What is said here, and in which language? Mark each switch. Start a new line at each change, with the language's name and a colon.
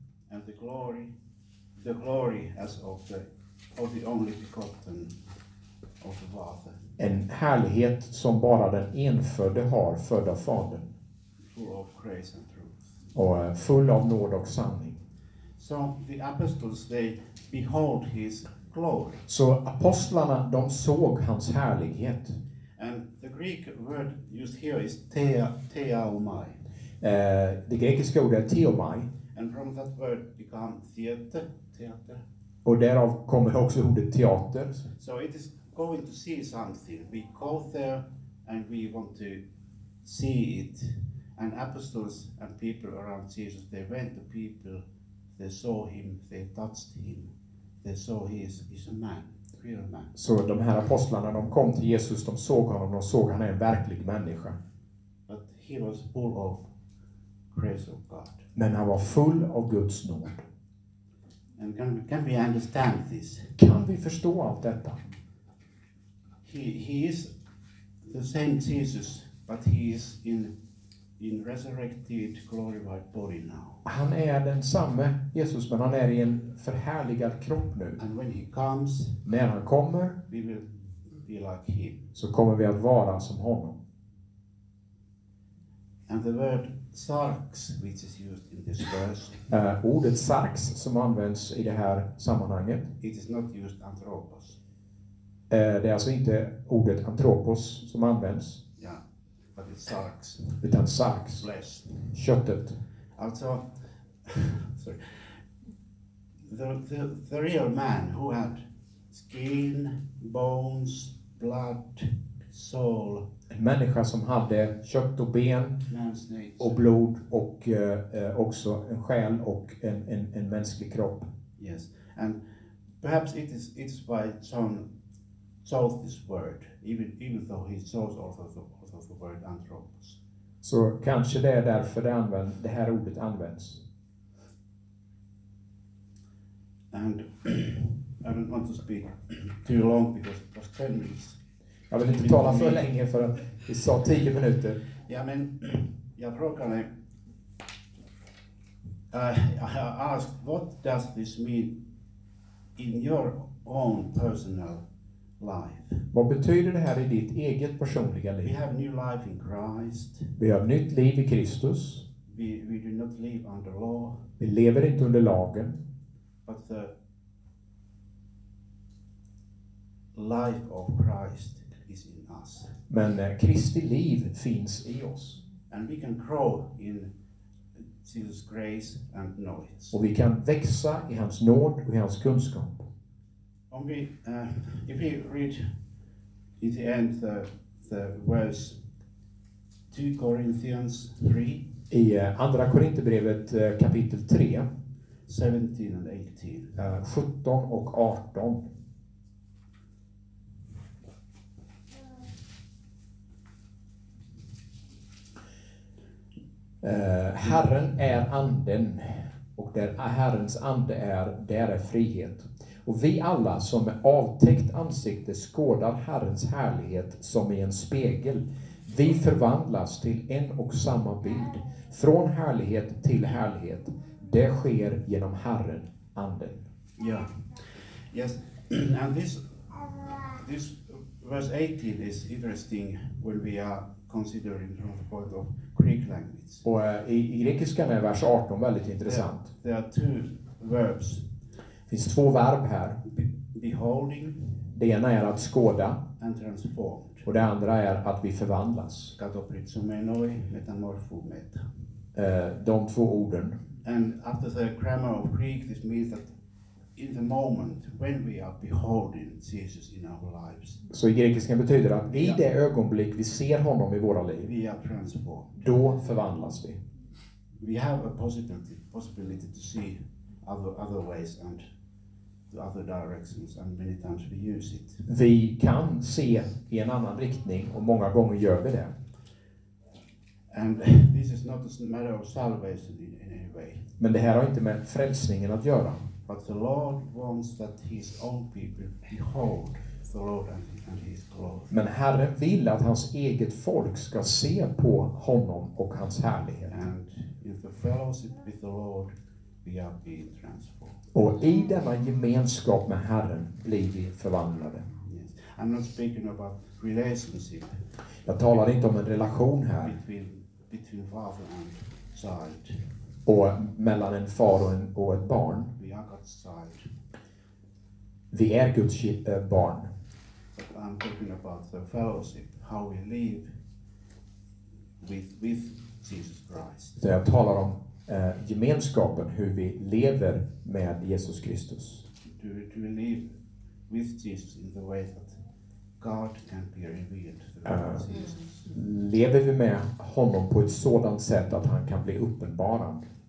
English: And the glory as of the only begotten of the Father.
Swedish: En härlighet som bara den enfödde har, född av Fadern.
English: Full of grace and truth.
Swedish: Och full av nåd och sanning.
English: So the apostles, they behold his glory.
Swedish: Så apostlarna, de såg hans härlighet.
English: And the Greek word used here is theaomai.
Swedish: Det grekiska ordet är theomai.
English: And from that word become theater, theater.
Swedish: Och därav kommer också ordet teater.
English: So it is going to see something. We go there and we want to see it. And apostles and people around Jesus, they went to people, they saw him, they touched him, they saw he is a man.
Swedish: Så de här apostlarna, de kom till Jesus, de såg honom, de såg han är en verklig människa.
English: But he was full of grace of God.
Swedish: Men han var full av Guds nåd.
English: And can we understand this?
Swedish: Kan vi förstå allt detta?
English: He is the same Jesus, but he is in resurrected glorified body now.
Swedish: Han är den samma Jesus, men han är i en förhärligad kropp nu.
English: And when he comes,
Swedish: när han kommer,
English: we will be like him.
Swedish: Så kommer vi att vara som honom.
English: And the word sarx, which is used in this verse.
Swedish: Ordet sarx som används i det här sammanhanget.
English: It is not used anthropos.
Swedish: Det är alltså inte ordet anthropos som används.
English: But it sucks.
Swedish: Utan sucks.
English: Flesh.
Swedish: Köttet. Alltså, sorry.
English: The real man who had skin, bones, blood, soul.
Swedish: En människa som hade kött och ben.
English: Man's nature.
Swedish: Och blod och också en själ och en mänsklig kropp.
English: Yes. And perhaps it's why John chose this word, even though he chose also the word anthropos.
Swedish: Så kanske det är därför det här ordet används.
English: And I don't want to speak too long because it was 10 minutes.
Swedish: Jag vill inte tala för länge för att vi sa 10 minuter. Ja, men jag frågade
English: asked, what does this mean in your own personal life.
Swedish: Vad betyder det här i ditt eget personliga liv?
English: We have new life in Christ.
Swedish: Vi har nytt liv i Kristus.
English: We do not live under law.
Swedish: Vi lever inte under lagen.
English: But the life of Christ is in us.
Swedish: Men Kristi liv finns i oss.
English: And we can grow in Jesus' grace and knowledge.
Swedish: Och vi kan växa i hans nåd och i hans kunskap. Om vi,
English: if we read in the end the verse 2 Corinthians 3.
Swedish: I andra Korinthierbrevet kapitel 3.
English: 17 and 18.
Swedish: 17 och 18. Herren är anden och där Herrens ande är, där är frihet. Och vi alla som med avtäckt ansikte skådar Herrens härlighet som i en spegel. Vi förvandlas till en och samma bild. Från härlighet till härlighet. Det sker genom Herren, anden.
English: Ja. Yeah. Yes. And this this verse 18 is interesting when we are considering from the point of Greek language.
Swedish: Och i grekiskan är vers 18 väldigt intressant.
English: There are two verbs.
Swedish: Det finns två verb här.
English: Beholding.
Swedish: Det ena är att skåda.
English: And transform.
Swedish: Och det andra är att vi förvandlas.
Greek: Katopritsomenoi, metamorfo, meta.
Swedish: De två orden.
English: And after the grammar of Greek, this means that in the moment when we are beholding Jesus in our lives.
Swedish: Så i grekiskan betyder det att i det ögonblick vi ser honom i våra liv,
English: we are transformed.
Swedish: Då förvandlas vi.
English: We have a possibility to see other ways and the other directions, and many times we use it.
Swedish: Vi kan se i en annan riktning och många gånger gör vi det.
English: And this is not a matter of salvation in any way.
Swedish: Men det här har inte med frälsningen att göra.
English: But the Lord wants that his own people behold the Lord and his glory.
Swedish: Men Herren vill att hans eget folk ska se på honom och hans härlighet.
English: And in the fellowship with the Lord we are being transformed.
Swedish: Och i denna gemenskap med Herren blir vi förvandlade.
English: Yes. I'm not speaking about relationship.
Swedish: Jag talar inte om en relation här.
English: Between father and child.
Swedish: Och mellan en far och ett barn.
English: We are God's child.
Swedish: Vi är Guds barn.
English: But I'm talking about the fellowship, how we live with Jesus Christ.
Swedish: Så jag talar om gemenskapen, hur vi lever med Jesus Kristus.
English: Do we live with Jesus in the way that God can be revealed through Jesus?
Swedish: Lever vi med honom på ett sådant sätt att han kan bli uppenbarad?